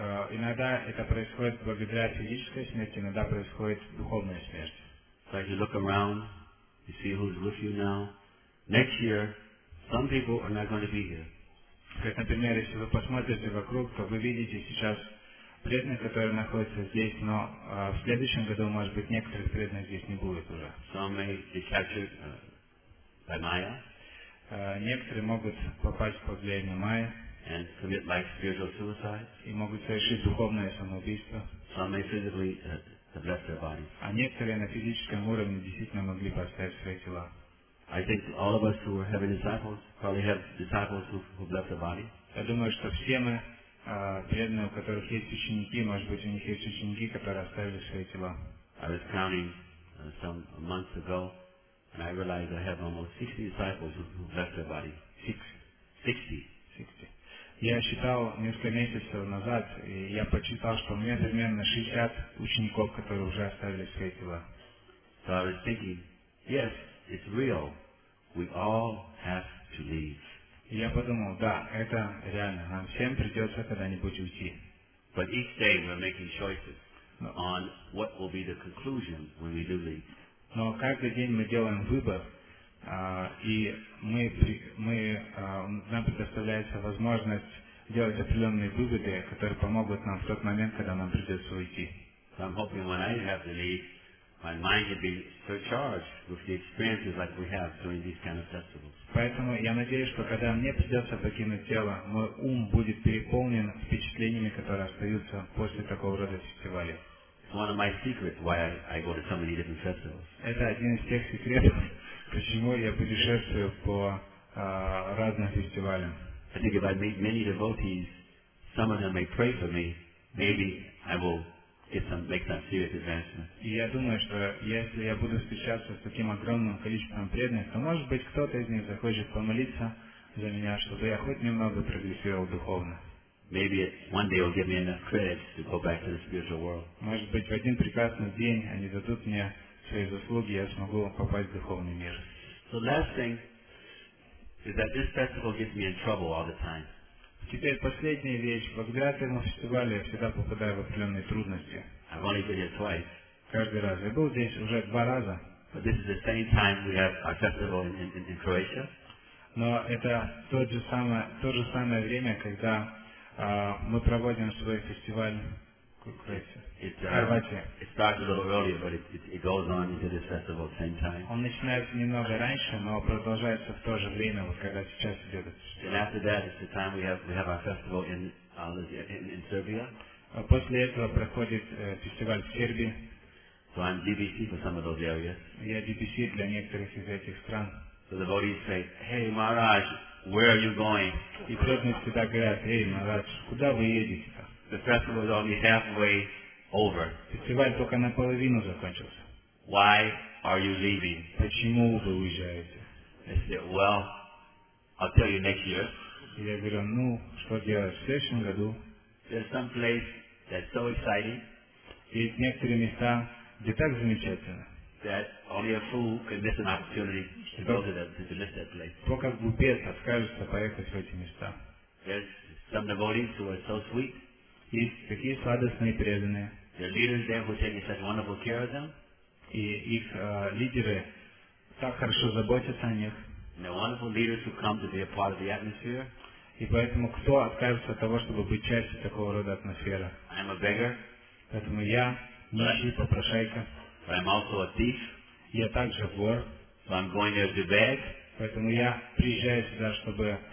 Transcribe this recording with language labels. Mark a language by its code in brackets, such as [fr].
[ru] Иногда это происходит благодаря физической смерти, иногда происходит духовная смерть. [en] So as you look around, you see who's with you now. Next year, some people are not going to be here. [ru] Как, например, если вы посмотрите вокруг, то вы видите сейчас преданных, которые находятся здесь, но в следующем году, может быть, некоторых преданных здесь не будет уже. [en] Some may be captured by Maya. [ru] Некоторые могут попасть под влияние Майя. [en] And commit like spiritual suicide. [ru] И могут совершить духовное самоубийство. [en] Some may physically left their body. [ru] А некоторые на физическом уровне действительно могли поставить свои тела. [en] I think all of us who are having disciples probably have disciples who left their body. [ru] Я думаю, что все мы преданные, у которых есть ученики, может быть, у них есть ученики, которые оставили свои тела. [en] I was counting some months ago, and I realized I have almost 60 disciples who left their body. Sixty. [ru] Я считал несколько месяцев назад, и я почитал, что у меня примерно 60 учеников, которые уже оставили свои тела. [en] So I was thinking, yes, it's real. We all have to leave. [ru] И я подумал, да, это реально. Нам всем придется когда-нибудь уйти. [en] But each day we're making choices on what will be the conclusion when we do leave. [ru] Но каждый день мы делаем выбор. И нам предоставляется возможность делать определенные выводы, которые помогут нам в тот момент, когда нам придется уйти. [en] So I'm hoping when I have to leave, my mind will be surcharged with the experiences like we have during these kind of festivals. [ru] Поэтому я надеюсь, что когда мне придется покинуть тело, мой ум будет переполнен впечатлениями, которые остаются после такого рода фестиваля. [en] It's one of my secrets why I go to so many different festivals. [ru] Это один из тех секретов, почему я путешествую по разным фестивалям. [en] I think if I meet many devotees, some of them may pray for me. Maybe I will make some serious advancement. [ru] И я думаю, что если я буду встречаться с таким огромным количеством преданных, то может быть кто-то из них захочет помолиться за меня, чтобы я хоть немного прогрессировал духовно. [en] Maybe one day it will give me enough credit to go back to the spiritual world. [ru] Может быть, в один прекрасный день они дадут мне свои заслуги, я смогу попасть в духовный мир. [en] So last thing is that this festival gets me in trouble all the time. [ru] Теперь последняя вещь. Благодаря этому фестивалю я всегда попадаю в определенные трудности. [en] I've only been here twice. [ru] Каждый раз. Я был здесь уже два раза. [en] But this is the same time we have our festival in Croatia. [ru] Но это то же самое время, когда мы проводим свой фестиваль в Хорватии. [en] It starts a little earlier, but it goes on into this festival at the same time. [ru] Он начинается немного раньше, но продолжается в то же время, вот когда сейчас идет этот фестиваль. [en] And after that, it's the time we have our festival in Serbia. [ru] После этого проходит фестиваль в Сербии. [en] So I'm DBC for some of those areas. [ru] Я DBC для некоторых из этих стран. [en] So the devotees say, "Hey, Maharaj, where are you going?" [ru] И преданные всегда говорят, "Эй, Мараш, куда вы едете?" [en] The festival is only halfway over. [ru] Фестиваль только наполовину закончился. [en] Why are you leaving? [ru] Почему вы уезжаете? [en] I said, "Well, I'll tell you next year." [ru] И я говорю, ну, что делать в следующем году? [en] There's some place that's so exciting. [ru] Есть некоторые места, где так замечательно. [en] That only a fool could miss an opportunity to go to that, to miss that place. [ru] Только глупец откажется поехать в эти места. [en] There's some devotees who are so sweet. [ru] Есть такие сладостные преданные. [en] The leaders there who take such wonderful care of them. [ru] И их лидеры так хорошо заботятся о них. [en] And the wonderful leaders who come to be a part of the atmosphere. [ru] И поэтому кто откажется от того, чтобы быть частью такого рода атмосферы? [en] I'm a beggar. [ru] Поэтому я нищий попрошайка. [en] But I'm also a thief. [ru] Я также вор. [en] So I'm going there to beg. [ru] Поэтому я приезжаю сюда, чтобы